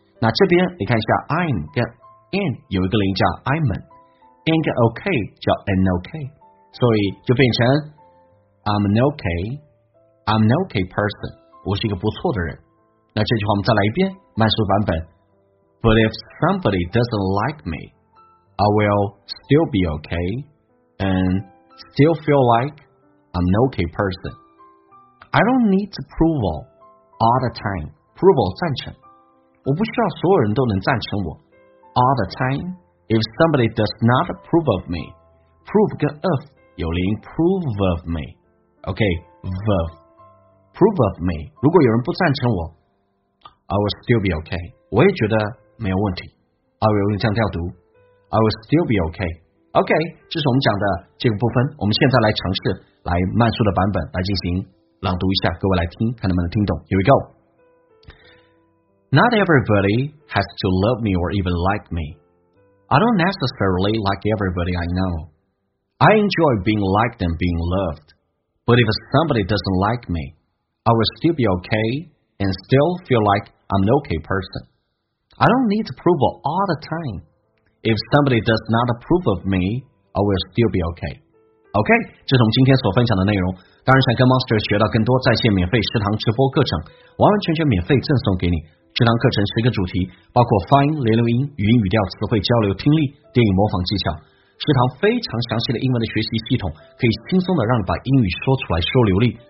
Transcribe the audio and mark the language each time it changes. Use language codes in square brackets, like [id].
[zh] 那这边你看一下 I'm 跟 and 有一个连音叫 I'm an， and 跟 okay 叫 an okay， 所以就变成 I'm an okay person， 我是一个不错的人。那这句话我们再来一遍慢速版本。 [en] But if somebody doesn't like me, I will still be okay and still feel like I'm an okay person. I don't need approval all the time. Approval [zh] 赞成，我不需要所有人都能赞成我。 [en] All the time, if somebody does not approve of me, prove 跟 of 有连 prove of me. Okay, of prove of me. [zh] 如果有人不赞成我， [en] I will still be okay. [zh] 我也觉得。没有问题， [en] I will [zh] 用降调读， [en] I will still be okay. [zh] OK， 这是我们讲的这个部分，我们现在来尝试来慢速的版本来进行朗读一下，各位来听看能不能听懂。 [en] Here we go. Not everybody has to love me or even like me. I don't necessarily like everybody I know. I enjoy being liked and being loved. But if somebody doesn't like me, I will still be okay and still feel like I'm an okay personI don't need approval all the time. If somebody does not approve of me, I will still be okay. [zh] OK， 这是我们今天所分享的内容。当然想跟 Monster 学到更多在线免费食堂直播课程，完完全全免费赠送给你。食堂课程十个主题，包括发音、连读音、语音语调、词汇交流、听力、电影模仿技巧。食堂非常详细的英文的学习系统，可以轻松的让你把英语说出来说流利。